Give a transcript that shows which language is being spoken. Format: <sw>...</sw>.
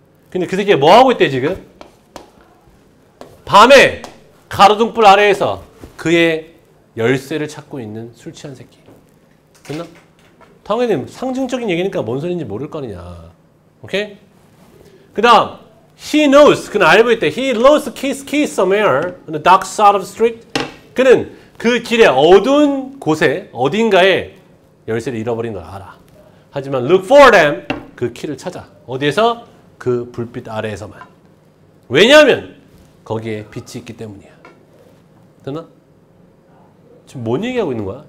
<ko>근데 그 새끼가 뭐하고 있대 지금? 밤에 가로등불 아래에서 그의 열쇠를 찾고 있는 술 취한 새끼. 됐나? 당연히 상징적인 얘기니까 뭔 소리인지 모를 거느냐. 오케이? 그 다음</ko> <en>He knows.</en> <ko>그는 알고 있대.</ko> <en>He knows his key somewhere on the dark side of the street.</en> <ko>그는 그 길의 어두운 곳에 어딘가에 열쇠를 잃어버린 걸 알아. 하지만</ko> <en>look for them.</en> <ko>그 키를 찾아. 어디에서? 그 불빛 아래에서만. 왜냐하면 거기에 빛이 있기 때문이야. 됐나? 지금 뭔 얘기하고 있는 거야?</ko>